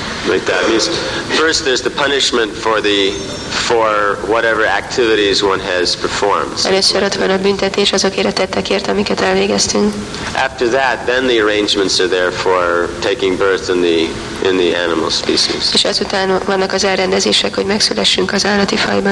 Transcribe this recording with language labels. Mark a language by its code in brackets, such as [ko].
[en] Like that means first there's the punishment for whatever activities one has performed. [hu] Először ott van a büntetés azokért a tettekért, amiket elvégeztünk. [en] After that, then the arrangements are there for taking birth in the animal species. [hu] És ezután vannak az elrendezések, hogy megszülessünk az állati fajban.